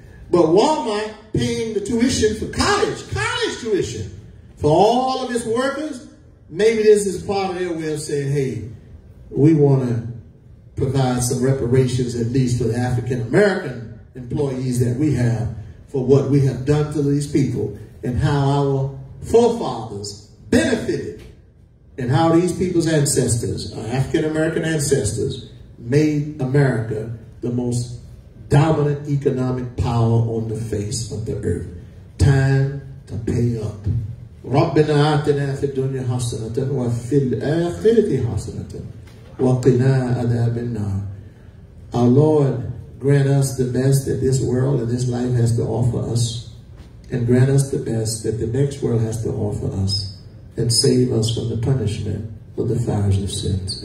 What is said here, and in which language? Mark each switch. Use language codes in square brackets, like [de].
[en] But Walmart paying the tuition for college tuition for all of its workers, maybe this is part of their way of saying, hey, we want to provide some reparations at least for the African American employees that we have for what we have done to these people and how our forefathers benefited and how these people's ancestors, African American ancestors, made America the most dominant economic power on the face of the earth. Time to pay up. [ar] ربنا آتنا في الدنيا حسنة وفي الآخرة حسنة وقنا عذاب النار. [en] Our Lord, grant us the best that this world and this life has to offer us, and grant us the best that the next world has to offer us, and save us from the punishment for the fires of sins.